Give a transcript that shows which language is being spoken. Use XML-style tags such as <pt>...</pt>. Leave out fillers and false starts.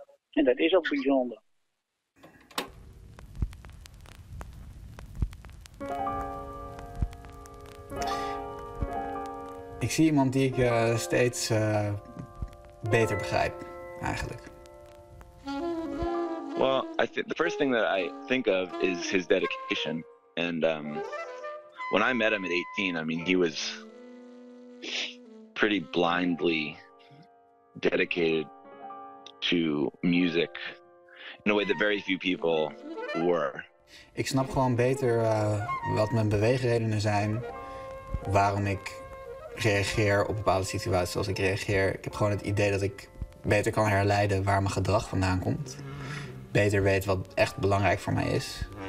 <nl>En dat is ook bijzonder. Ik zie iemand die ik steeds beter begrijp, eigenlijk.</nl> <en>Well, I think the first thing that I think of is his dedication and when I met him at 18, I mean, he was pretty blindly dedicated to music in a way that very few people were.</en> <nl>Ik snap gewoon beter wat mijn beweegredenen zijn, waarom ik reageer op bepaalde situaties zoals ik reageer. Ik heb gewoon het idee dat ik beter kan herleiden waar mijn gedrag vandaan komt. Beter weet wat echt belangrijk voor mij is.</nl>